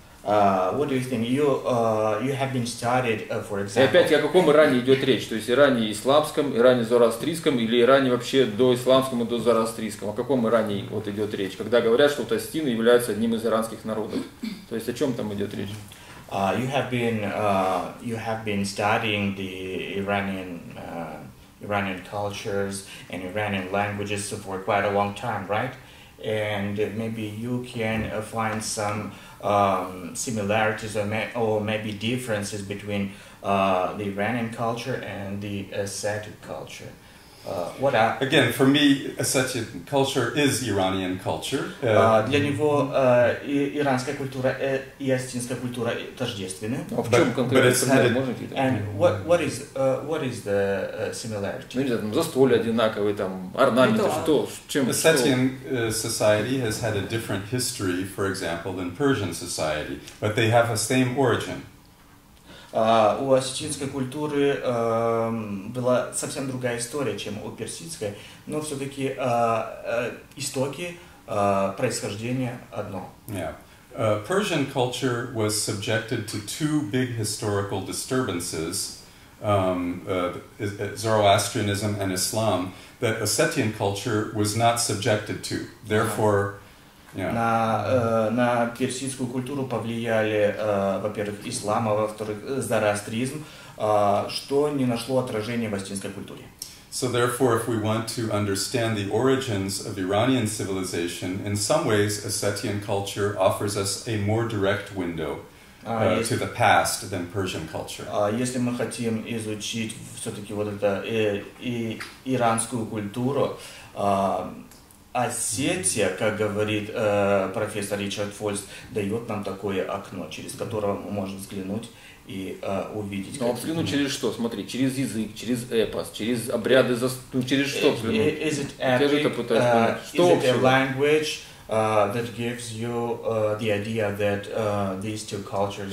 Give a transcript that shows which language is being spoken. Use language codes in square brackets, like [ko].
[en] What do you think? You have been studied, for example. [ru] И опять, о каком Иране идет речь? То есть Иране исламском, Иране зороастрийском или Иране вообще доисламском и дозороастрийском? О каком Иране вот идет речь? Когда говорят, что Остины являются одним из иранских народов, то есть о чем там идет речь? [en] You have been studying the Iranian cultures and Iranian languages for quite a long time, right? And maybe you can find some similarities or maybe differences between the Iranian culture and the Ossetic culture. Again, for me, Ossetian culture is Iranian culture. [ru] Для него иранская культура и осетинская культура тождественны. А в чем конкретно? Можно какие-то? [en] And what is the similarity? [ru] Ну, не знаю, застолья одинаковые, там, орнаменты, что? Чем? [en] Ossetian society has had a different history, for example, than Persian society, but they have the same origin. [ru] У осетинской культуры была совсем другая история, чем у персидской, но все-таки истоки происхождения одно. [en] Yeah. Persian culture was subjected to two big historical disturbances, Zoroastrianism and Islam, that Ossetian culture was not subjected to. Therefore, yeah. [ru] На персидскую культуру повлияли, во-первых, ислам, а во-вторых, зороастризм, что не нашло отражения в ассирийской культуре. [en] So therefore, if we want to understand the origins of Iranian civilization, in some ways, Ossetian culture offers us a more direct window to the past than Persian culture. [ru] Если мы хотим изучить все-таки вот это иранскую культуру, Осетия, как говорит профессор Ричард Фольс, дает нам такое окно, через которое мы можем взглянуть и увидеть. Но взглянуть через что? Смотри, через язык, через эпос, через обряды, через что взглянуть? Что вообще? [en] Is it a language that gives you the idea that these two cultures are